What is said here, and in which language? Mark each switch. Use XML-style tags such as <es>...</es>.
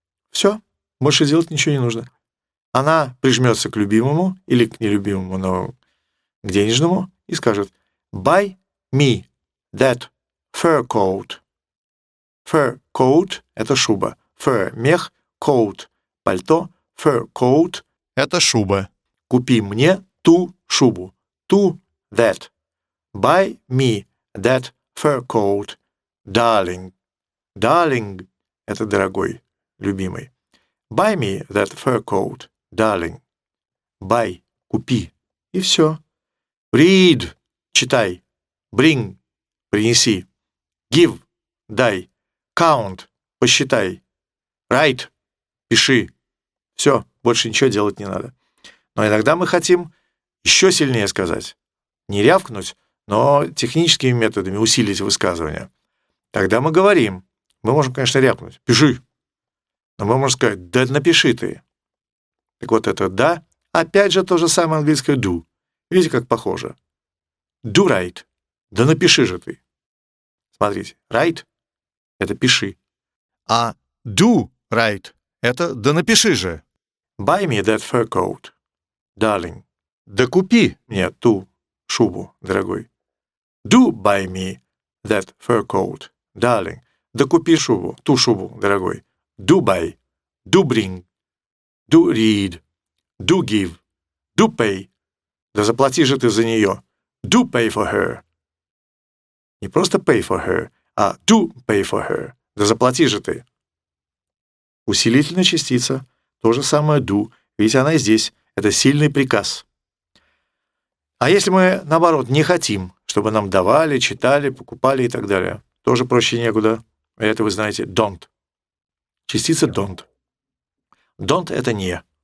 <ru>Все, больше делать ничего не нужно. Она прижмется к любимому или к нелюбимому, но к денежному, и скажет</ru> <en>buy me that fur coat.</en> <ru>Fur coat – это шуба. Fur – мех, coat – пальто. Fur coat – это шуба. Купи мне ту шубу.</ru> <en>To that. Buy me that fur coat, darling.</en> <ru>Darling – это дорогой, любимый.</ru> <en>Buy me that fur coat, darling.</en> <ru>Buy – купи. И все. Read – читай. Bring – принеси. Give – дай. Count – посчитай. Write – пиши. Все, больше ничего делать не надо. Но иногда мы хотим еще сильнее сказать. Не рявкнуть, но техническими методами усилить высказывание. Тогда мы говорим. Мы можем, конечно, рявкнуть. Пиши. Но мы можем сказать, да напиши ты. Так вот это «да» опять же то же самое английское «do». Видите, как похоже?</ru> <en>Do write.</en> <ru>Да напиши же ты. Смотрите, write – это пиши. А do write – это «да напиши же».</ru> <en>Buy me that fur coat, darling.</en> <ru>Да купи мне ту шубу, дорогой.</ru> <en>Do buy me that fur coat, darling.</en> <ru>Да купи шубу, ту шубу, дорогой.</ru> <en>Do buy, do bring, do read, do give, do pay.</en> <ru>Да заплати же ты за нее.</ru> <en>Do pay for her.</en> <ru>Не просто</ru> <en>pay for her, а do pay for her.</en> <ru>Да заплати же ты. Усилительная частица, то же самое do, ведь она и здесь, это сильный приказ. А если мы, наоборот, не хотим, чтобы нам давали, читали, покупали и так далее, тоже проще некуда, это вы знаете don't. Частица don't. Don't — это не.</ru>